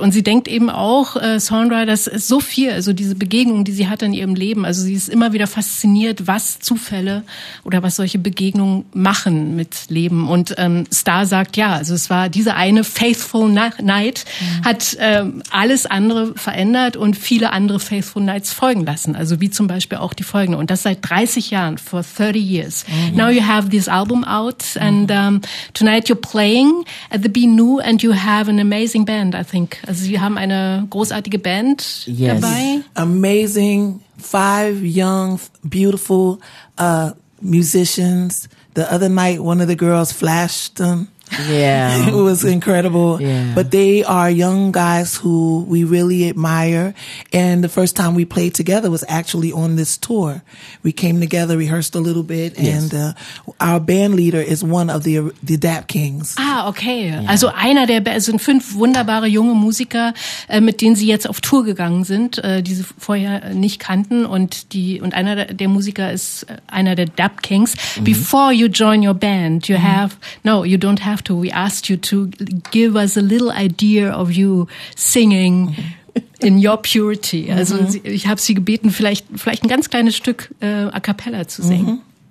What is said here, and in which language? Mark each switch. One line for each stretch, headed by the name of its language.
German: Und sie denkt eben auch, Sandra, dass es so viel, also diese Begegnung, die sie hatte in ihrem Leben, also sie ist immer wieder fasziniert, was Zufälle oder was solche Begegnungen machen mit Leben. Und Star sagt, ja, also es war diese eine Faithful Night, hat alles andere verändert und viele andere Faithful Nights folgen lassen. Also wie zum Beispiel auch die folgende. Und das seit 30 Jahren,
English: for 30 years.
German: Mm-hmm.
English: Now you have this album out and tonight you're playing at the Be New and you have an amazing band, I think.
German: Also Sie haben eine großartige Band dabei.
English: Amazing. 5 young, beautiful musicians. The other night, one of the girls flashed them. Yeah. It was incredible. Yeah. But they are young guys who we really admire. And the first time we played together was actually on this tour. We came together, rehearsed a little bit. Yes. And our band leader is one of the Dap Kings. Ah, okay. Yeah.
German: Also einer der, sind 5 wunderbare junge Musiker, mit denen sie jetzt auf Tour gegangen sind, die sie vorher nicht kannten. Und die und einer der Musiker ist einer der Dap Kings. Mm-hmm.
English: Before you join your band, you have to. We asked you to give us a little idea of you singing in your purity.
German: Also ich habe sie gebeten, vielleicht ein ganz kleines Stück a cappella zu singen.